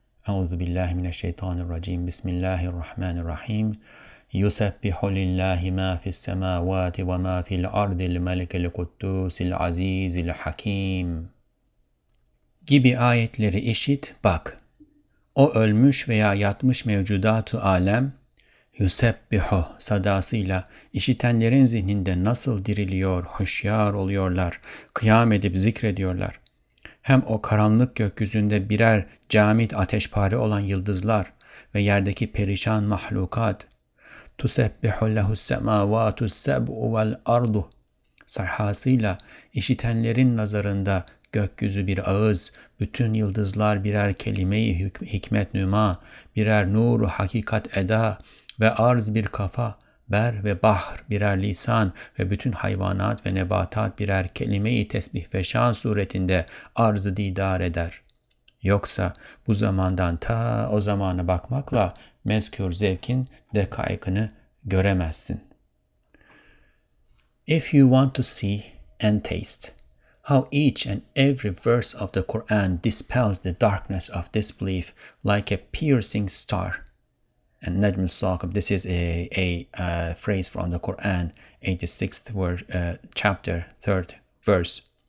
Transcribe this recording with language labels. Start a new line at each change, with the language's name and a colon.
Arabic: أعوذ بالله من الشيطان الرجيم بسم الله الرحمن الرحيم يسبح لله ما في السماوات وما في الأرض الملك القدوس العزيز الحكيم
Turkish: gibi ayetleri işit, bak. O ölmüş veya yatmış mevcudat-ı alem, yusebbihu sadasıyla işitenlerin zihninde nasıl diriliyor, hoşyar oluyorlar, kıyam edip zikrediyorlar. Hem o karanlık gökyüzünde birer camit ateşpare olan yıldızlar ve yerdeki perişan mahlukat.
Arabic: تُسَبِّحُ لَهُ السَّمَاوَاتُ السَّبْءُ وَالْاَرْضُ
Turkish: Sahasıyla işitenlerin nazarında gökyüzü bir ağız, bütün yıldızlar birer kelime-i hikmet nüma, birer nur-u hakikat eda ve arz bir kafa, ber ve bahr birer lisan ve bütün hayvanat ve nebatat birer kelime-i tesbih ve şan suretinde arz-ı didar eder. Yoksa bu zamandan ta o zamana bakmakla mezkûr zevkin de kaykını göremezsin.
English: If you want to see and taste how each and every verse of the Quran dispels the darkness of disbelief like a piercing star. And Najm al-Saqib, this is a phrase from the Quran, 86th verse, chapter, 3rd verse.